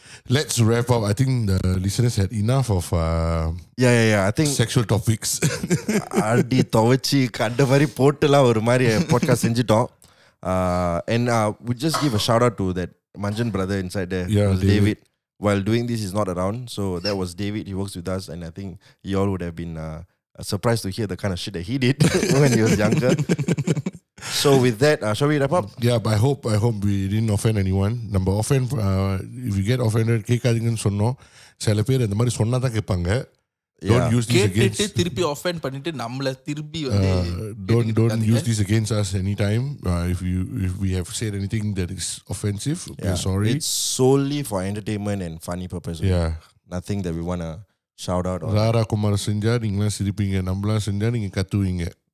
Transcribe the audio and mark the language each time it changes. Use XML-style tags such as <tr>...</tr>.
<en>Let's wrap up. I think the listeners had enough of I think sexual topics.</en> <ta>அடி துவச்சி கண்ட மாதிரி போட்டுலாம் ஒரு மாதிரி பாட்காஸ்ட் செஞ்சிட்டோம்.</ta> <en>And we just give a shout out to that Manjan brother inside there, yeah, David. while doing this is not around. So that was David. He works with us, and I think you all would have been surprised to hear the kind of shit that he did when he was younger. So with that, shall we wrap up? Yeah, but I hope we didn't offend anyone. Number offend, if you get offended,</en> <ta>கேக்காதீங்கன்னு சொன்னோம். சில பேர் இந்த மாதிரி சொன்னா தான் கேட்பாங்க.</ta> <en>Don't use this against.</en> <ta>கேட்டு திருப்பி offend பண்ணிட்டு நம்மள திருப்பி வந்து</ta> <en>don't use this against us anytime. If we have said anything that is offensive, we're sorry. It's solely for entertainment and funny purposes. Yeah. Nothing that we want to shout out on.</en> <ta>Rara Kumar Senja, நீங்கலாம் சிரிப்பீங்க, நம்மலாம் செஞ்சா நீங்க கத்துவீங்க.</ta>